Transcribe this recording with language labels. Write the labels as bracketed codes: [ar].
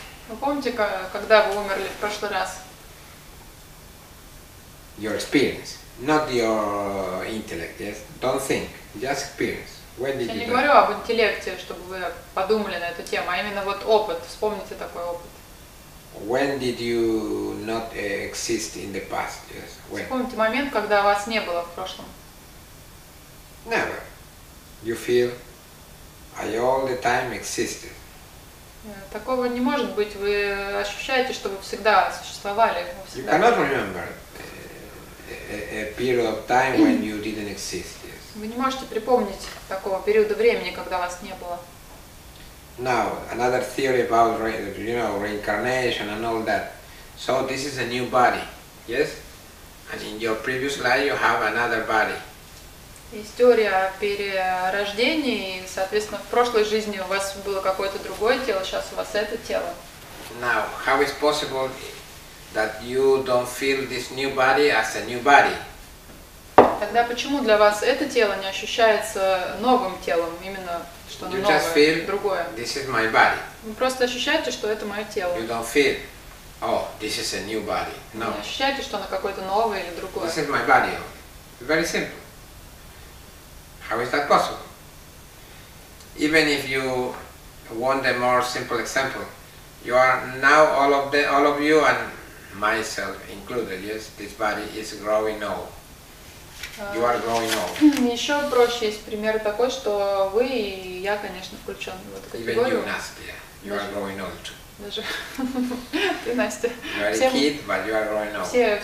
[ru] Вы помните, когда вы умерли в прошлый раз? [en] Your experience, not your intellect, yes? Don't think. Just experience. When did [ru] я [en] you [ru] не [en] die? [ru] Говорю об интеллекте, чтобы вы подумали на эту тему, а именно вот опыт. Вспомните такой опыт. [en] When did you not exist in the past? Yes. When? [ru] Вспомните момент, когда вас не было в прошлом. [en] Never. You feel I all the time existed. [ru] Такого не может быть. Вы ощущаете, что вы всегда существовали. [en] You cannot remember a period of time when you didn't exist. [ru] Вы не можете припомнить такого периода времени, когда вас не было. [en] Now, another theory about reincarnation and all that. So this is a new body, yes? And in your previous life you have another body. [ru] Есть теория о перерождении, и, соответственно, в прошлой жизни у вас было какое-то другое тело, сейчас у вас это тело. [en] Now, how is possible that you don't feel this new body as a new body? [ru] Тогда почему для вас это тело не ощущается новым телом, именно что оно новое, [en] feel, [ru] другое? [en] This is my body. [ru] Вы просто ощущаете, что это мое тело. [en] You don't feel, oh, this is a new body. No. [ru] Вы не ощущаете, что оно какое-то новое или другое? [en] This is my body. Very simple. How is that possible? Even if you want a more simple example, you are now all of you and myself included. Yes, this body is growing old. You are growing old. [ru] Еще проще есть пример такой, что вы и я, конечно, включен в эту категорию. [en] Even you, Nastya, you are growing old too. [ru] Даже ты, Настя. [en] You are a kid, but you are growing old.